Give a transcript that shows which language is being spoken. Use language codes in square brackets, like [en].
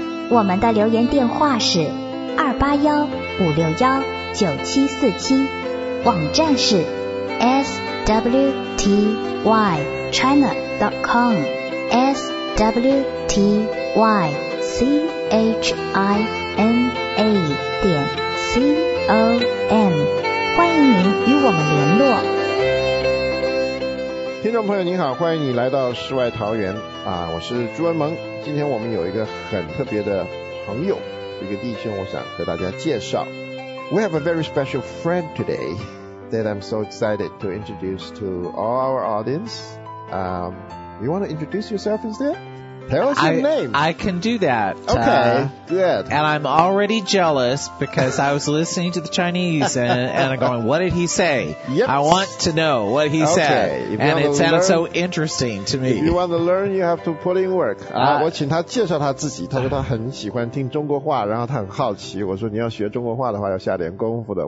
[zh] 我们的留言电话是281-561-9747，网站是 swtychina.com swtychina.com， 欢迎您与我们联络。听众朋友您好，欢迎你来到世外桃源啊！我是朱恩蒙，今天我们有一个很特别的朋友，一个弟兄，我想和大家介绍。 [en] We have a very special friend today that I'm so excited to introduce to all our audience. You want to introduce yourself instead? Tell us your name. I can do that. Okay, good. And I'm already jealous because I was listening to the Chinese and I'm going, what did he say? Yep. I want to know what he said. And it sounded so interesting to me. If you want to learn, you have to put in work. [zh] 我请他介绍他自己，他说他很喜欢听中国话，然后他很好奇。我说你要学中国话的话，要下点功夫的。